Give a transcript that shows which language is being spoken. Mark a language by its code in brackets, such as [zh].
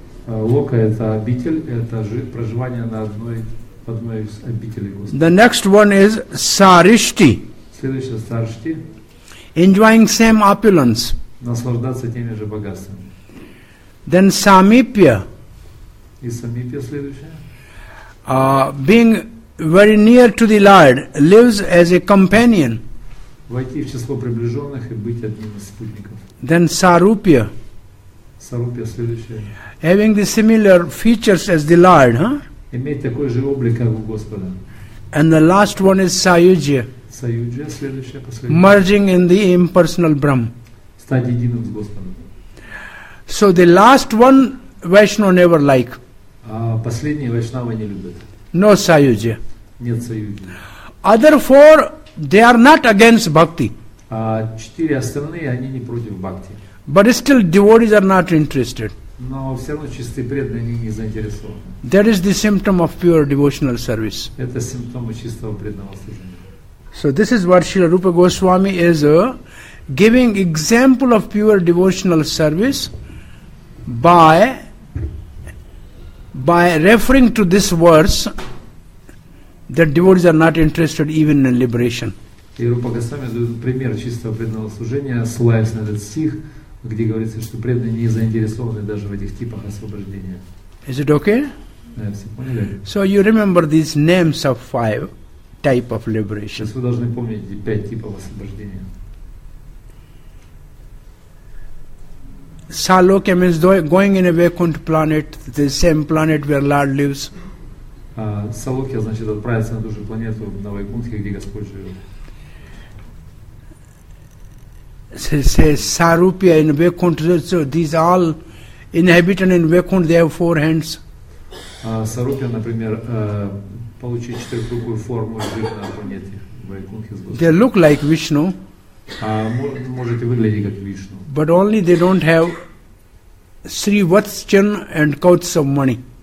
[en] Loka is [ru] обитель, это проживание на одной. [en] The next one is Sarishti. [ru] Следующее Sarishti. [en] Enjoying same opulence. [ru] Наслаждаться теми же богатствами. [en] Then Samipya. [ru] И Samipya следующее. [en] Being very near to the Lord, lives as a companion. [ru] Войти в число приближенных и быть одним из спутников. [en] Then Sarupya. [ru] Sarupya следующее. [en] Having the similar features as the Lord, huh? [ru] Иметь такой же облик, как у Господа. [en] And the last one is Sayujya. [ru] Sayujya, следующее, последнее. [en] Merging in the impersonal Brahm. [ru] Стать единым с Господом. [en] So the last one Vaishnava never like. [ru] А последний Vaishnava не любят. [en] No Sayujya. [ru] Нет Sayujya. [en] Other four, they are not against Bhakti. [ru] А четыре остальные, они не против Bhakti. [en] But still devotees are not interested. [ru] Но все равно чистые преданные не заинтересованы. [en] That is the symptom of pure devotional service. [ru] Это симптомы чистого преданного служения. [en] So this is what Srila Rupa Goswami is giving example of pure devotional service by referring to this verse that devotees are not interested even in liberation. [ru] И Рупа Госвами дает пример чистого преданного служения, ссылаясь на этот стих, где говорится, что преданные не заинтересованы даже в этих типах освобождения. [en] Is it okay? So you remember these names of five type of liberation. [ru] Сейчас вы должны помнить пять типов освобождения. [en] Salokya means going in a Vaikunth planet, the same planet where Lord lives. [ru] Salokya значит отправиться на ту же планету на Вайкунтхе, где Господь живет. [en] Say Sarupya in Vaikunth, so these all inhabitants in Vaikunth, they have four hands. [ru] Sarupya, например, получить четырехрукую форму живет на планете Вайкунтхе с Господом. [en] They look like Vishnu. [ru] Можете выглядеть как Вишну. [en] But only they don't have Sri Vatschan and Kautsav Mani.